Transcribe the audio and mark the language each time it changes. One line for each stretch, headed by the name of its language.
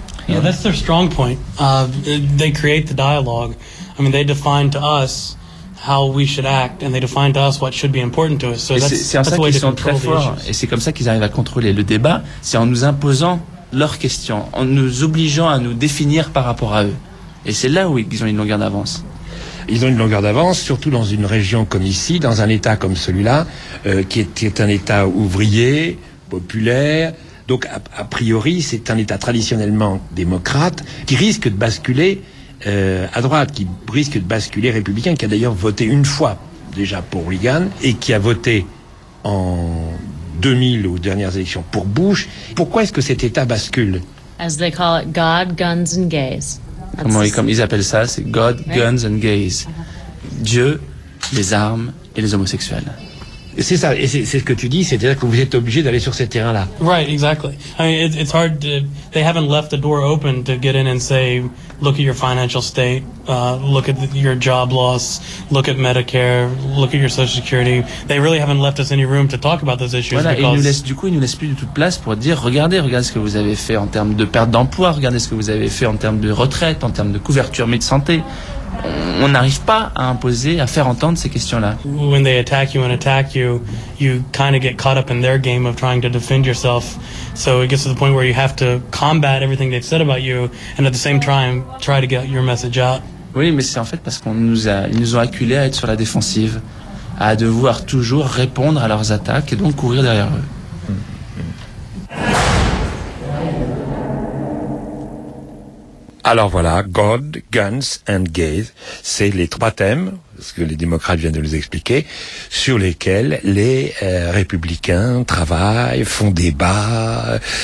English: Yeah, that's their strong point. They create the dialogue. I mean, they define to us how we should act, and they define to us what should be important to us. So that's the way they control the issues.
French: Et c'est comme ça qu'ils arrivent à contrôler le débat, c'est en nous imposant leurs questions, en nous obligeant à nous définir par rapport à eux. Et c'est là où ils ont une longueur d'avance. Ils ont une longueur d'avance, surtout dans une région comme ici, dans un État comme celui-là, qui est un État ouvrier, populaire. Donc, a priori, c'est un État traditionnellement démocrate qui risque de basculer à droite, qui risque de basculer républicain, qui a d'ailleurs voté une fois déjà pour Reagan et qui a voté en 2000 aux dernières élections pour Bush. Pourquoi est-ce que cet État bascule?
English: As they call it, God, guns and gays.
French: Comment ils appellent ça? C'est
English: God, right? Guns and gays.
French: Dieu, les armes et les homosexuels. C'est ça, et c'est ce que tu dis, c'est-à-dire que vous êtes obligé d'aller sur ces terrains-là.
English: Right, exactly. I mean, it's hard to... They haven't left the door open to get in and say, look at your financial state, look at your job loss, look at Medicare, look at your Social Security. They really haven't left us any room to talk about those issues.
French: Voilà,
English: because...
French: et ils nous laissent plus du tout de place pour dire, regardez ce que vous avez fait en termes de perte d'emploi, regardez ce que vous avez fait en termes de retraite, en termes de couverture de santé. On n'arrive pas à imposer, à faire entendre ces questions-là.
English: When they attack you and attack you, you kind of get caught up in their game of trying to defend yourself. So it gets to the point where you have to combat everything they've said about you and at the same time try to get your message out.
French: Oui, mais c'est en fait parce qu'ils nous ont acculés à être sur la défensive, à devoir toujours répondre à leurs attaques et donc courir derrière eux. Alors voilà, God, Guns and Gays, c'est les trois thèmes, ce que les démocrates viennent de nous expliquer, sur lesquels les républicains travaillent, font débat.